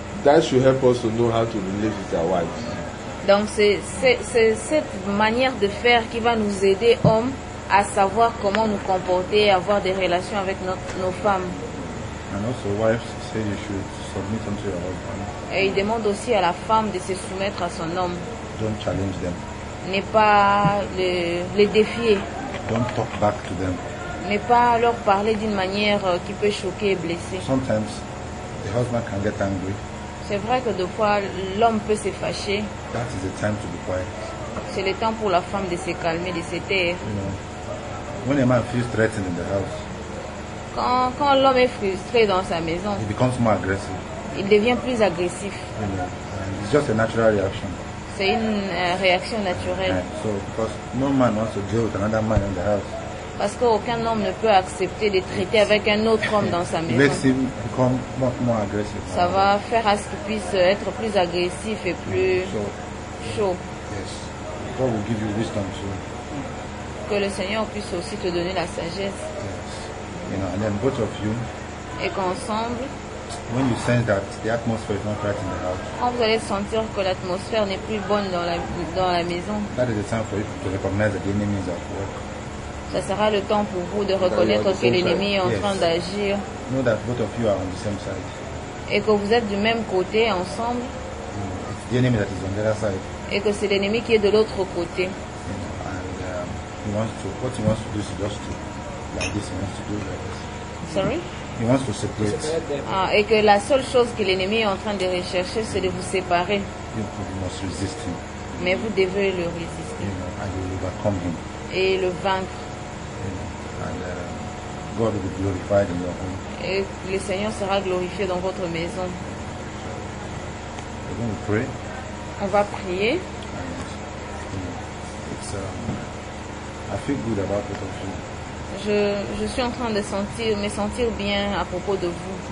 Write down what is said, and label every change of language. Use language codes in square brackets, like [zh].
[en] That should help us to know how to relate with our wives. [fr] Donc c'est cette manière de faire qui va nous aider, hommes, à savoir comment nous comporter et avoir des relations avec nos femmes. [en] And also wives say you should submit unto your husband. [fr] Et il demande aussi à la femme de se soumettre à son homme. [en] Don't challenge them. [fr] Ne pas les défier. [en] Don't talk back to them. [fr] Ne pas leur parler d'une manière qui peut choquer et blesser. [en] Sometimes the husband can get angry. [fr] C'est vrai que des fois l'homme peut se fâcher. [en] That is the time to be quiet. [fr] C'est le temps pour la femme de se calmer, de se taire. [en] You know, when a man feels threatened in the house, [fr] quand l'homme est frustré dans sa maison, [en] he becomes more aggressive. [fr] Il devient plus agressif. [en] You know, it's just a natural reaction. [fr] C'est une réaction naturelle. [en] So, because no man wants to deal with another man in the house. [fr] Parce qu'aucun homme ne peut accepter de traiter avec un autre homme dans sa maison. [en] It makes him become more aggressive. [fr] Ça va faire à ce qu'il puisse être plus agressif et plus chaud. [en] Yes. God will give you wisdom too. [fr] Que le Seigneur puisse aussi te donner la sagesse. [en] Yes. You know, and then both of you. [fr] Et qu'ensemble. [en] When you sense that the atmosphere is not right in the house, [fr] quand vous allez sentir que l'atmosphère n'est plus bonne dans la maison, [en] that is the time for you to recognize that the enemy is at work. [fr] Ça sera le temps pour vous de reconnaître que l'ennemi est en train d'agir. [en] Know that both of you are on the same side. [fr] Et que vous êtes du même côté ensemble. Mm. [en] It's the enemy that is on the other side. [fr] Et que c'est l'ennemi qui est de l'autre côté. [en] What he wants to do is just to like this. He wants to do like this. Sorry. He wants to separate. [fr] Et que la seule chose que l'ennemi est en train de rechercher, c'est de vous séparer. [en] You must resist him. [fr] Mais vous devez le résister. [en] You know, and you will overcome him. [fr] Et le vaincre. [en] You know, and God will be glorified in your home. [fr] Et le Seigneur sera glorifié dans votre maison. [en] We're going to pray. [fr] On va prier. [en] And, you know, I feel good about it also. [fr] Je suis en train de me sentir bien à propos de vous.